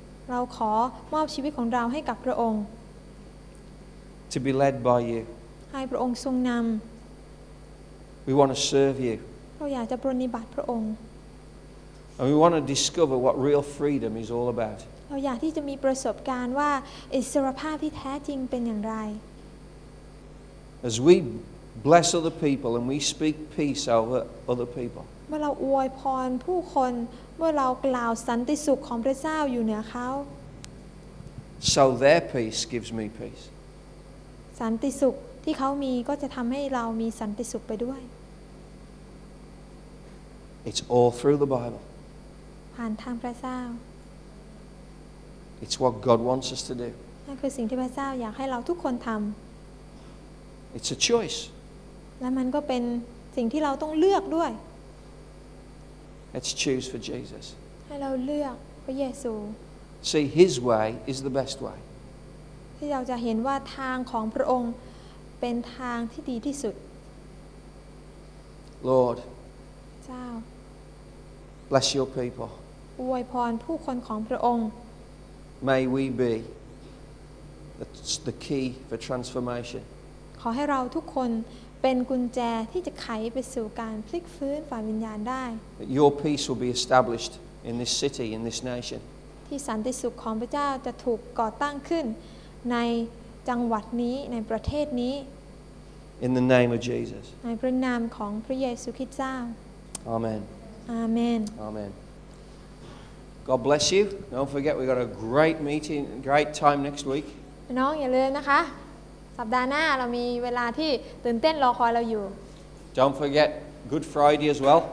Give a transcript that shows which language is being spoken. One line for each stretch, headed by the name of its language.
Thai: เราขอมอบชีวิตของเราให้กับพระองค์
English: To be led by you.
Thai: ให้พระองค์ทรงนำ
English: We want to serve you.
Thai: เราอยากจะปรนิบัติพระองค์
English: And we want to discover what real freedom is all about.
Thai: เราอยากที่จะมีประสบการณ์ว่าอิสรภาพที่แท้จริงเป็นอย่างไร
English: As we bless other people and we speak peace over other people.
Thai: เมื่อเราอวยพรผู้คนเมื่อเรากล่าวสันติสุขของพระเจ้าอยู่เหนือเขา
English: So their peace gives me peace
Thai: สันติสุขที่เขามีก็จะทำให้เรามีสันติสุขไปด้วย
English: It's all through the Bible
Thai: ผ่านทางพระเจ้า
English: It's what God wants us to do
Thai: นั่นคือสิ่งที่พระเจ้าอยากให้เราทุกคนทำ
English: It's a choice
Thai: และมันก็เป็นสิ่งที่เราต้องเลือกด้วย
English: Let's choose for Jesus.
Thai: ให้เราเลือกพระเยซู
English: See His way is the best way.
Thai: ที่เราจะเห็นว่าทางของพระองค์เป็นทางที่ดีที่สุด
English: Lord.
Thai: เจ้า
English: Bless your people.
Thai: อวยพรผู้คนของพระองค์
English: May we be the key for transformation.
Thai: ขอให้เราทุกคนเป็นกุญแจที่จะไขไปสู่การพลิกฟื้นฝ่ายวิญญาณได้
English: Your peace will be established in this city in this nation
Thai: ที่สันติสุขของพระเจ้าจะถูกก่อตั้งขึ้นในจังหวัดนี้ในประเทศนี้
English: In the name of Jesus
Thai: ในพระนามของพระเยซูคริสต์เจ้า
English: Amen Amen Amen God bless you Don't forget we got a great meeting great time next week
Thai: น้องอย่าลืมนะคะสัปดาห์หน้าเรามีเวลาที่ตื่นเต้นรอคอยเราอยู่
English: Don't forget Good Friday as well